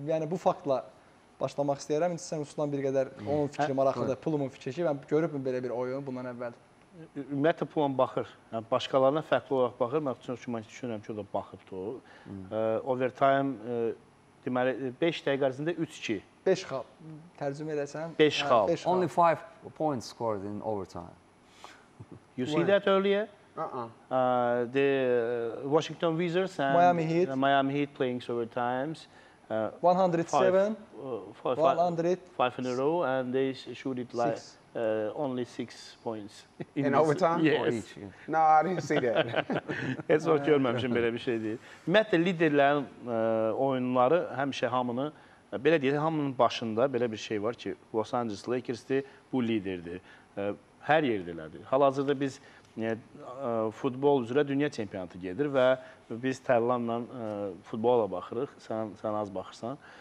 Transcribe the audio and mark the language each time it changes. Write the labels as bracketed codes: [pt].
[az] Yəni bu faktla başlamaq istəyirəm. İndi sən Ruslan bir qədər onun fikri maraqlıdır, pulumun fikri. Mən görübüm belə bir oyunu bundan əvvəl. Ümumiyyətlə pulan baxır. Yəni başqalarına fərqli olaraq baxır. Mən düşünürəm ki, o da baxıbdır. Overtime deməli 5 dəqiqə ərzində 3-2. 5 xal. Tərcümə edəsən. 5 xal. [en] Only 5 points scored in overtime. You see that earlier? The Washington Wizards and Miami Heat. Miami Heat playing several times. 107, 5 in a row, and they shoot it like only 6 points. In overtime? Yes. No, I didn't see that. [az] Heç vaxt görməmişim belə bir şey deyil. Ümumiyyətlə, liderlərin oyunları həmişə hamını, belə deyil, hamının başında belə bir şey var ki, Los Angeles Lakers'dir, bu liderdir. Hər yerdilərdir. Hal-hazırda biz futbol üzrə dünya çempionatı gedir və biz Tərlanla futbola baxırıq, sən az baxırsan.